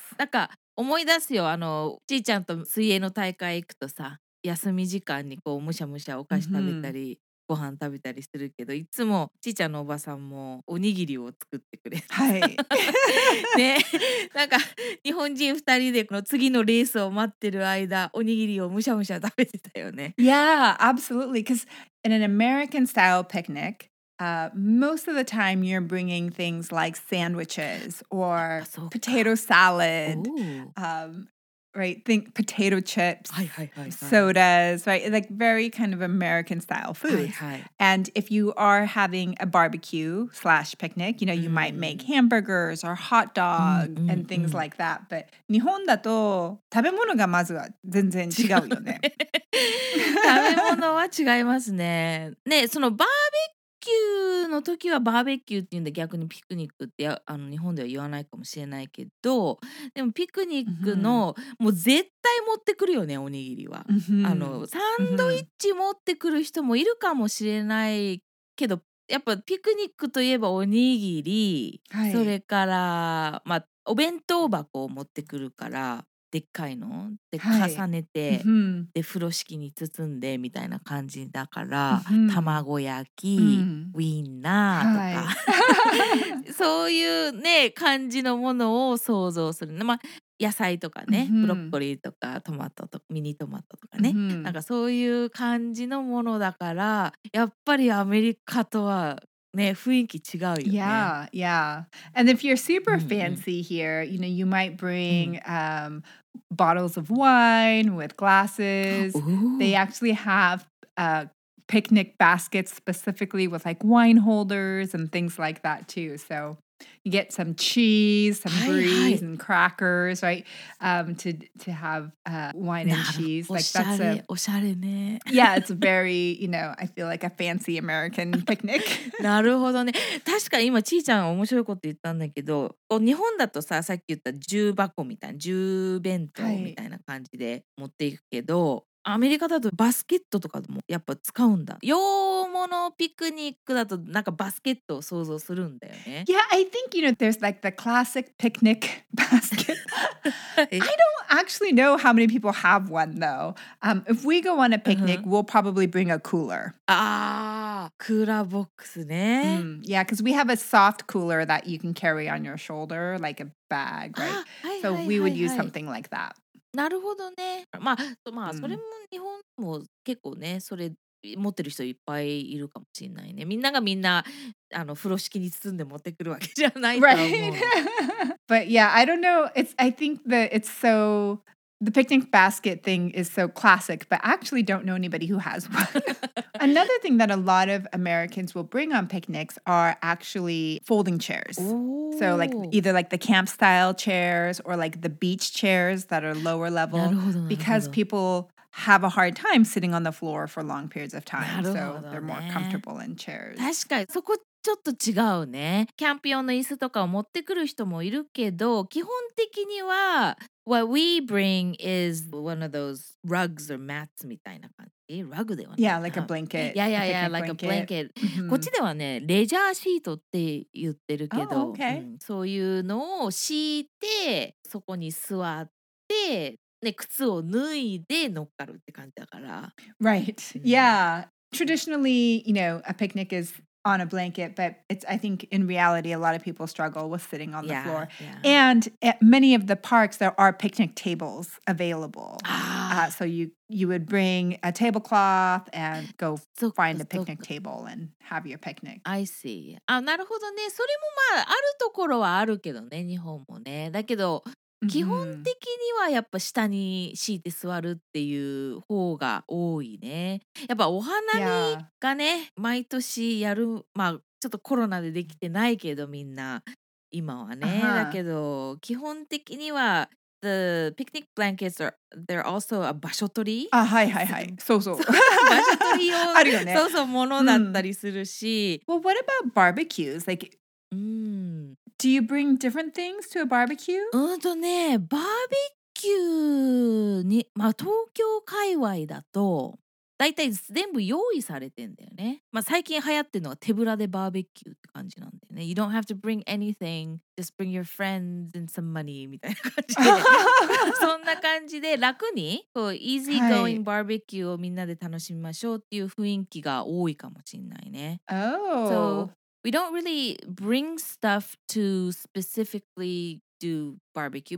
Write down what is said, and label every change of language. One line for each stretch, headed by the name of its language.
Japanese: なんか思い出すよ。あのちーちゃんと水泳の大会行くとさ、休み時間にこうむしゃむしゃお菓子食べたり。 Mm-hmm. ご飯食べたりするけど、いつもちーちゃんのおばさんもおにぎりを作ってくれて、はい、ね、なんか日本人2人でこの次のレースを待ってる間、おにぎりをむしゃむしゃ食べてたよね。
English: Yeah, absolutely. Because in an American style picnic, most of the time you're bringing things like sandwiches or potato salad. Right, think potato chips, sodas, right? Like very kind of American style food. And if you are having a barbecue slash picnic, you know, you might make hamburgers or hot dog and things like that. But
Japanese: 日本だと食べ物がまずは全然違うよね。食べ物は違いますね。ね、そのバーベキューの時はバーベキューって言うんで、逆にピクニックってあの日本では言わないかもしれないけど、でもピクニックの、mm-hmm. もう絶対持ってくるよね、おにぎりは、mm-hmm. あのサンドイッチ持ってくる人もいるかもしれないけど、やっぱピクニックといえばおにぎり、はい、それから、まあ、お弁当箱を持ってくるから、でっかいので重ねて、はい、で風呂敷に包んでみたいな感じだから、うん、卵焼き、うん、ウィンナーとか、はい、そういうね感じのものを想像する、まあ、野菜とかね、うん、ブロッコリーとかトマトとかミニトマトとかね、うん、なんかそういう感じのものだから、やっぱりアメリカとはね、雰囲気違うよね。
English: Yeah, yeah. And if you're super fancy here, you know, you might bring bottles of wine with glasses. They actually have picnic baskets specifically with like wine holders and things like that too. So you get some cheese, some brie and crackers, right? To have wine and cheese. Like that's a,
Japanese: おしゃれね。
English: Yeah, it's very, you know, I feel like a fancy American picnic.
Japanese: なるほどね。確かに今ちーちゃん面白いこと言ったんだけど、日本だとさ、さっき言った重箱みたいな、重弁当みたいな感じで持っていくけど、アメリカだとバスケットとかもやっぱ使うんだ。洋物ピクニックだとなんかバスケットを想像するんだよね。
English: Yeah, I think, you know, there's like the classic picnic basket. I don't actually know how many people have one though. If we go on a picnic, uh-huh. we'll probably bring a cooler.
Japanese: Ah, クーラーボックスね。
English: Yeah, because we have a soft cooler that you can carry on your shoulder, like a bag, right? So we would use something like that.
Japanese: なるほどね。まあ、まあ、それも日本も結構ね、それ持ってる人いっぱいいるかもしれないね。みんながみんな、あの、風呂敷に包んで持ってくるわけじゃないと思う。
English: Right. But yeah, I don't know. It's, I think that it's so, the picnic basket thing is so classic, but I actually don't know anybody who has one. Another thing that a lot of Americans will bring on picnics are actually folding chairs. Ooh. So like either like the camp style chairs or like the beach chairs that are lower level because people have a hard time sitting on the floor for long periods of time. So they're more comfortable in chairs.
Japanese: 確かにそこちょっと違うね。キャンプ用の椅子とかを持ってくる人もいるけど、基本的には
English: what we bring is one of those rugs or mats
Japanese: みたいな感じ。ラグではない
English: yeah, like a blanket. Yeah, yeah, yeah, like a blanket.
Japanese: こっちではね、レジャーシートって言ってるけど、
English: oh, okay.
Japanese: そういうのを敷いて、そこに座って、ね、靴を脱いで乗っかるって感じだから。
English: Right. Yeah. Traditionally, you know, a picnic is on a blanket, but it's, I think in reality, a lot of people struggle with sitting on the yeah, floor. Yeah. And at many of the parks, there are picnic tables available. So you would bring a tablecloth and go find a picnic table and have your picnic. I see. Ah,
Japanese: なるほどね。それもまああるところはあるけどね、日本もね。だけど、基本的にはやっぱ下に敷いて座るっていう方が多いね。やっぱお花見がね、毎年やる、まあちょっとコロナでできてないけどみんな今はね。 Uh-huh. だけど基本的には
English: the picnic blankets are they're also a 場所取り。
Japanese: あ、はいはいはい。そうそう。場所取り用あるよね。そうそうものだったりするし。
English: Well, what about barbecues? Like,Do you bring different things to a barbecue?
Japanese: ね、バーベキューに、まあ、東京界隈だと、だいたい全部用意されてんだよね。まあ、最近流行ってるのは手ぶらでバーベキューって感じなんだよね。
English: You don't have to bring anything, just bring your friends and some money,
Japanese: みたいな感じで。そんな感じで楽に、こう、
English: easy going barbecue
Japanese: をみんなで楽しみましょうっていう雰囲気が多いかもしれないね。 Oh.
English: So,We don't really bring stuff to specifically do barbecue.